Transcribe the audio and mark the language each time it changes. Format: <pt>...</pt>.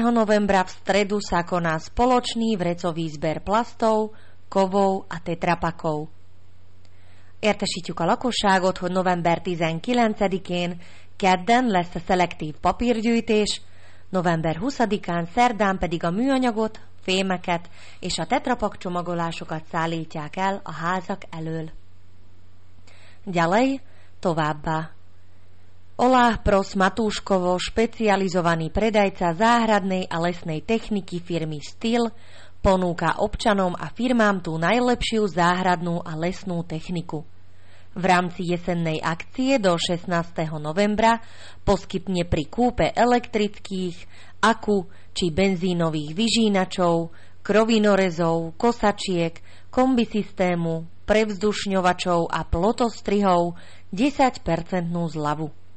<sk>novembra v stredu sa koná spoločný vrecový zber plastov, kovov a tetrapakov.</sk> <hu>Értesítjük a lakosságot, hogy november 19-én kedden lesz a szelektív papírgyűjtés, november 20-án szerdán pedig a műanyagot, fémeket és a tetrapak csomagolásokat szállítják el a házak elől.</hu> <sk>Ďalej,</sk> <hu>továbbá.</hu> <sk>Olá, prosz Matúškovo, specializovaný predajca záhradnej a lesnej techniky firmy Styl, ponúka občanom a firmám tú najlepšiu záhradnú a lesnú techniku. V rámci jesennej akcie do 16. novembra poskytne pri kúpe elektrických, aku či benzínových vyžínačov, krovinorezov, kosačiek, kombisystému, prevzdušňovačov a plotostrihov 10% zľavu.</sk>